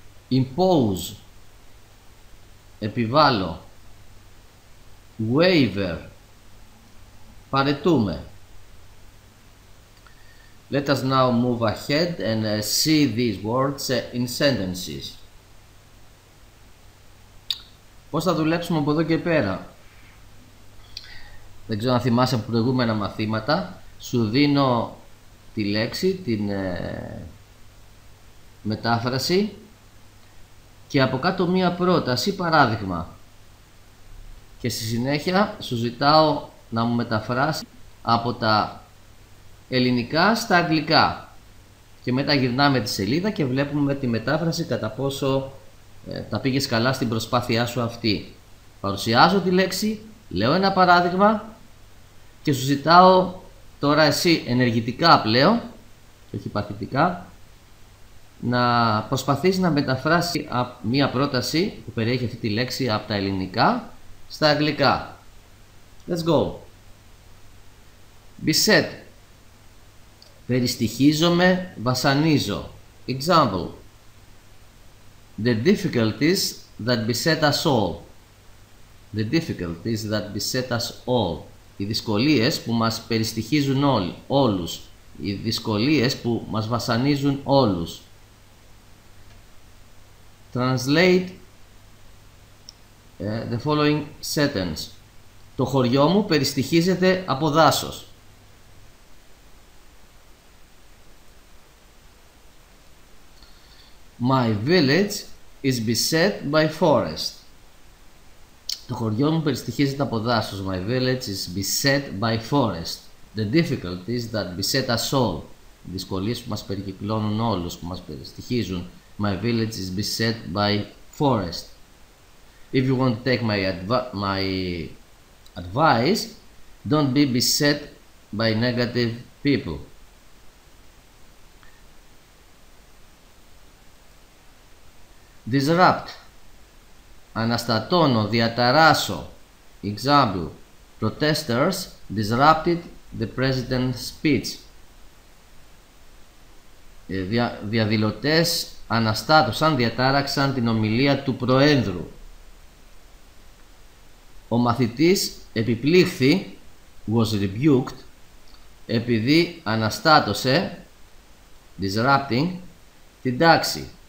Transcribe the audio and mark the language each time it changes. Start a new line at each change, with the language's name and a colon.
English: Impose, επιβάλλω. Waver, παρετούμε. Let us now move ahead and see these words in sentences.
Greek: Πώς θα δουλέψουμε από εδώ και πέρα? Δεν ξέρω αν θυμάσαι από προηγούμενα μαθήματα. Σου δίνω τη λέξη, την μετάφραση και από κάτω μία πρόταση, παράδειγμα. Και στη συνέχεια σου ζητάω να μου μεταφράσει από τα ελληνικά στα αγγλικά και μετά γυρνάμε τη σελίδα και βλέπουμε τη μετάφραση κατά πόσο τα πήγες καλά στην προσπάθειά σου αυτή. Παρουσιάζω τη λέξη, λέω ένα παράδειγμα και σου ζητάω τώρα εσύ ενεργητικά πλέον και όχι παθητικά να προσπαθείς να μεταφράσεις μία πρόταση που περιέχει αυτή τη λέξη από τα ελληνικά στα αγγλικά.
English: Let's go. Beset, περιστοιχίζομαι, βασανίζω. Example, the difficulties that beset us all. The difficulties that beset us all.
Greek: Οι δυσκολίες που μας περιστοιχίζουν όλους. Οι δυσκολίες που μας βασανίζουν όλους.
English: Translate the following sentence.
Greek: Το χωριό μου περιστοιχίζεται από δάσος.
English: My village is beset by forest.
Greek: Το χωριό μου περιστοιχίζεται από δάσος.
English: My village is beset by forest. The difficulties that beset us all.
Greek: Οι δυσκολίες που μας περικυκλώνουν όλους, που μας περιστοιχίζουν.
English: My village is beset by forest. If you want to take my advice, don't be beset by negative people. Disrupt, αναστατώνω, διαταράσω. Example, protesters disrupted the president's speech.
Greek: Διαδηλωτές αναστάτωσαν, διατάραξαν την ομιλία του προέδρου. Ο μαθητής επιπλήχθη,
English: was rebuked,
Greek: επειδή αναστάτωσε, disrupting, την τάξη.